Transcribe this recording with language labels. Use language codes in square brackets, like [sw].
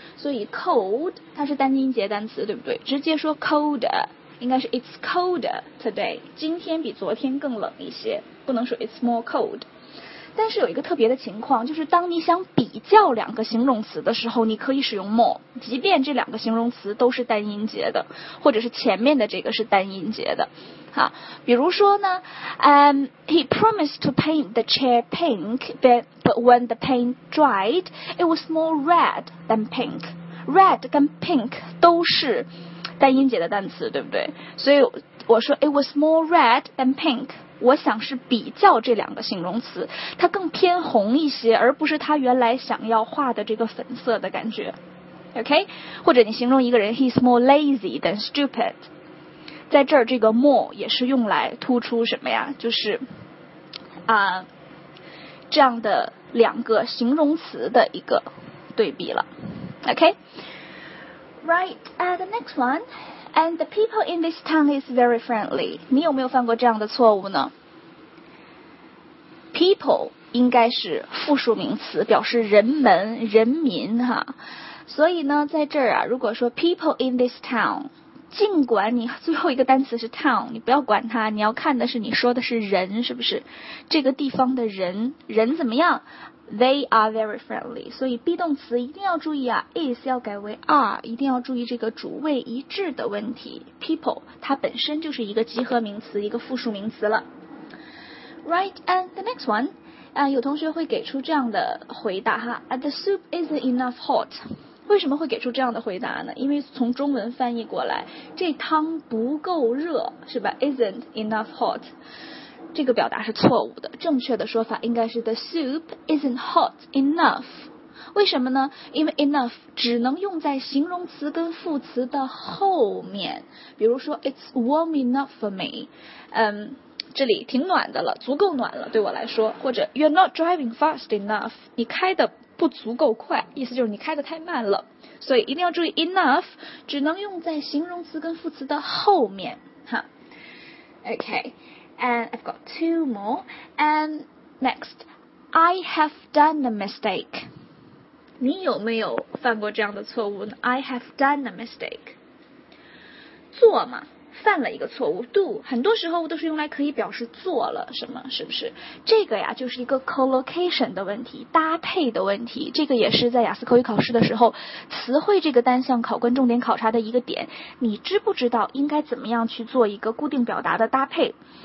[zh] 所以 cold 它是单音节单词，对不对？直接说 colder 应该是 [en] it's colder today， [zh] 今天比昨天更冷一些，不能说 [en] it's more cold。 [zh] 但是有一个特别的情况，就是当你想比较两个形容词的时候，你可以使用 more， 即便这两个形容词都是单音节的，或者是前面的这个是单音节的哈。比如说呢， [en] he promised to paint the chair pink， but when the paint dried it was more red than pink。 [zh] red 跟 pink 都是单音节的单词，对不对？所以我说 [en] it was more red than pink， [zh] 我想是比较这两个形容词，它更偏红一些，而不是它原来想要画的这个粉色的感觉。 OK， 或者你形容一个人 [en] he's more lazy than stupid， [zh] 在这儿这个 more 也是用来突出什么呀？就是这样的两个形容词的一个对比了。 [en] OK， right， the next one， and the people in this town is very friendly。 [zh] 你有没有犯过这样的错误呢？people 应该是复数名词，表示人们人民哈。所以呢在这儿啊，如果说 [en] people in this town [zh] 尽管你最后一个单词是 town， 你不要管它，你要看的是你说的是人，是不是这个地方的人，人怎么样？ [en] They are very friendly。 [zh] 所以 be 动词一定要注意啊， is 要改为 are， 一定要注意这个主谓一致的问题。 People 它本身就是一个集合名词，一个复数名词了。 [en] Right, and the next one， [zh] 有同学会给出这样的回答哈， [en] The soup isn't enough hot。 [zh] 为什么会给出这样的回答呢？因为从中文翻译过来，这汤不够热，是吧？ [en] Isn't enough hot， [zh] 这个表达是错误的。正确的说法应该是 [en] The soup isn't hot enough。 [zh] 为什么呢？因为 enough 只能用在形容词跟副词的后面，比如说 [en] It's warm enough for me， [zh] 这里挺暖的了，足够暖了对我来说。或者 [en] You're not driving fast enough， [zh] 你开的不足够快，意思就是你开得太慢了。所以一定要注意 enough 只能用在形容词跟副词的后面哈。 [en] OK, and I've got two more. And next, I have done a mistake. [zh] 你有没有犯过这样的错误呢？ [en] I have done a mistake， [zh] 做嘛，犯了一个错误。 do 很多时候都是用来可以表示做了什么，是不是？这个呀就是一个 collocation 的问题，搭配的问题。这个也是在雅思口语考试的时候，词汇这个单项考官重点考察的一个点，你知不知道应该怎么样去做一个固定表达的搭配。